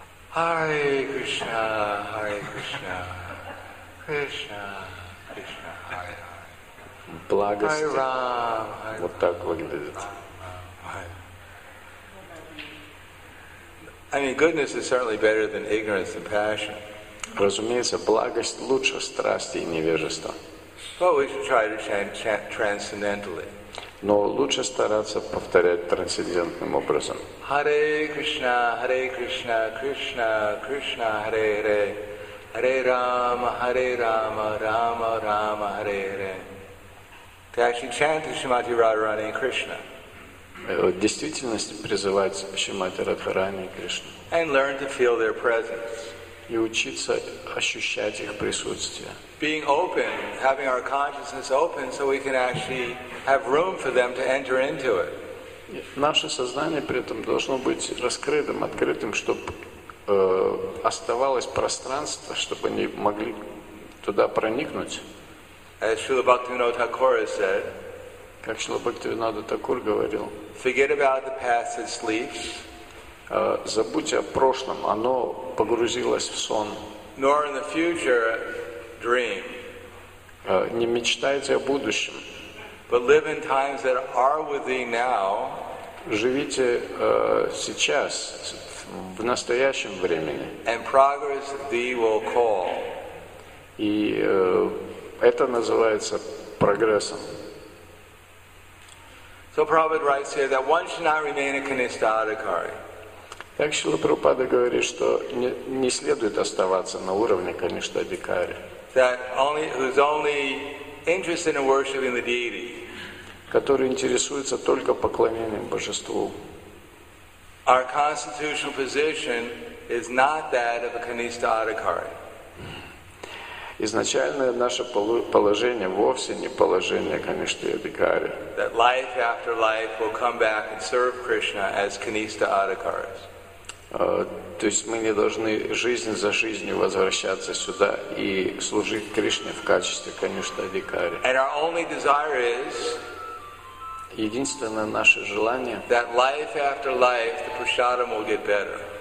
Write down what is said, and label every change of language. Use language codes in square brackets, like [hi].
[sa] Hare Krishna, Hare Krishna, Krishna, Krishna, Hare. [ru] Благости. [sa] Hi, Ram. Hi, Ram. [ru] Вот так выглядит. [en] I mean, goodness is certainly better than ignorance and passion. [ru] Разумеется, благость лучше страсти и невежества. [en] But we should try to chant transcendentally. [ru] Но лучше стараться повторять трансцендентным образом. [sa] Hare Krishna, Hare Krishna, Krishna, Krishna, Hare Hare. Hare Rama, Hare Rama, Rama, Rama, Hare Hare. [en] To actually chant the Shrimati Radharani and Krishna. [ru] В действительности призывать Шримати Радхарани и Кришну. [en] And learn to feel their presence. [ru] И учиться ощущать их присутствие. [en] Being open, having our consciousness open, so we can actually have room for them to enter into it. [ru] Наше сознание при этом должно быть раскрытым, открытым, чтобы оставалось пространство, чтобы они могли туда проникнуть. [en] As Srila Bhaktivinoda Thakur said, [ru] как Шрила Бхактивинода Такур говорил, [en] forget about the past and sleep, [ru] забудьте о прошлом, оно погрузилось в сон. [en] Nor in the future dream, [ru] не мечтайте о будущем, [en] but live in times that are with thee now, [ru] живите сейчас, в настоящем времени. [en] And progress thee will call. [ru] И это называется прогрессом. [en] So Prabhupada writes here that one should not remain a Kanistha Adhikari. [ru] Так Шрила Прабхупада говорит, что не следует оставаться на уровне Каништа Адхикари. [en] That only who's only interested in worshiping the deity, [ru] который интересуется только поклонением божеству. [en] Our constitutional position is not that of a Kanistha Adhikari. [ru] Изначальное наше положение вовсе не положение Каништы Адхикари. [en] That life after life will come back and serve Krishna as Kanistha Adhikaris. [ru] То есть мы не должны жизнь за жизнью возвращаться сюда и служить Кришне в качестве Каништы Адхикари. [en] And our only desire is, [ru] единственное наше желание, [en] that life after life the prasadam will get better.